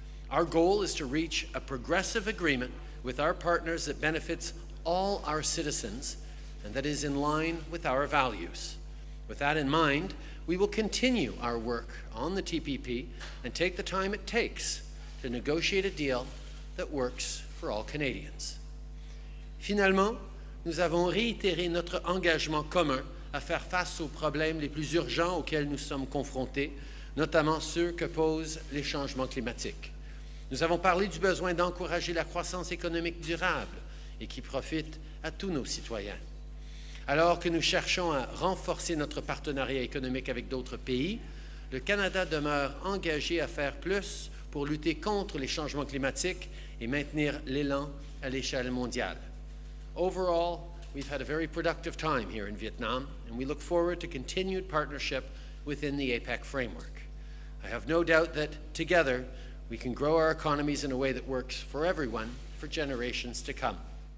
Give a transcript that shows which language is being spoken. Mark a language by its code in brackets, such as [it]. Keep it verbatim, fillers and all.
[en] Our goal is to reach a progressive agreement with our partners that benefits all our citizens and that is in line with our values. With that in mind, we will continue our work on the T P P and take the time it takes to negotiate a deal that works for all Canadians. [fr] Finalement, nous avons réitéré notre engagement commun à faire face aux problèmes les plus urgents auxquels nous sommes confrontés, notamment ceux que posent les changements climatiques. Nous avons parlé du besoin d'encourager la croissance économique durable et qui profite à tous nos citoyens. Alors que nous cherchons à renforcer notre partenariat économique avec d'autres pays, le Canada demeure engagé à faire plus pour lutter contre les changements climatiques et maintenir l'élan à l'échelle mondiale. [en] Overall, we've had a very productive time here in Vietnam, and we look forward to continued partnership within the APEC framework. I have no doubt that together we can grow our economies in a way that works for everyone for generations to come.